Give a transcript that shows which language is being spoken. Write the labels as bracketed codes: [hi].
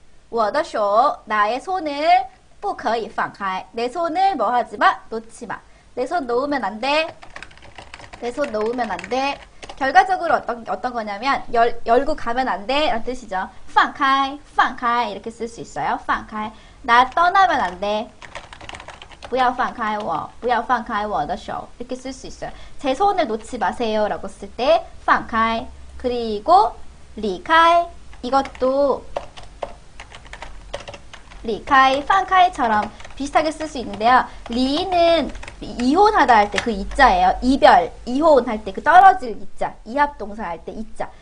[zh] 我的手， [ko] 나의 손을。 [zh] 不可以放开 [ko] 내 손을 뭐 하지 마? 놓지 마. 내손 놓으면 안 돼. 내손 놓으면 안 돼. 결과적으로 어떤 거냐면 열고 가면 안 돼. 라는 뜻이죠. 放开放开이렇게 쓸수 있어요. 放开나 떠나면 안 돼. [zh] 不要放开我不要放开我的手 [ko] 이렇게쓸수 있어요. 제 손을 놓지 마세요 라고 쓸때放开그리고离开이것도리 카이 팡 카이처럼 비슷하게 쓸수 있는데요. 리는 이혼하다 할때그 이자예요. 이별 이혼할 때그 떨어질 이자 이합 동사 할때 이자.